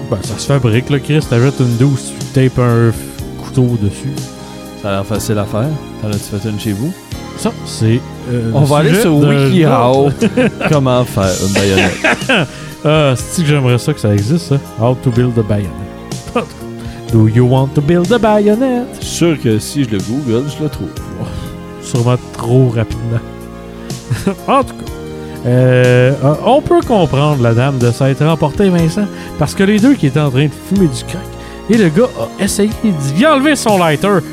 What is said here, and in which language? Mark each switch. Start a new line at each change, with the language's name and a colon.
French: Ben, ça se fabrique, là, Chris. T'ajoutes une douce, tu tapes un couteau dessus. Ça a l'air facile à faire. T'en as-tu fait une chez vous? Ça, c'est... On va aller sur WikiHow. Comment faire une baïonnette? C'est-tu que j'aimerais ça que ça existe, ça?
English: How to build a bayonet. Do you want to build a bayonet?
French: Sûr que si je le google, je le trouve. Sûrement trop rapidement. En tout cas, on peut comprendre la dame de s'être emportée, Vincent, parce que les deux qui étaient en train de fumer du crack, et le gars a essayé d'y enlever son lighter.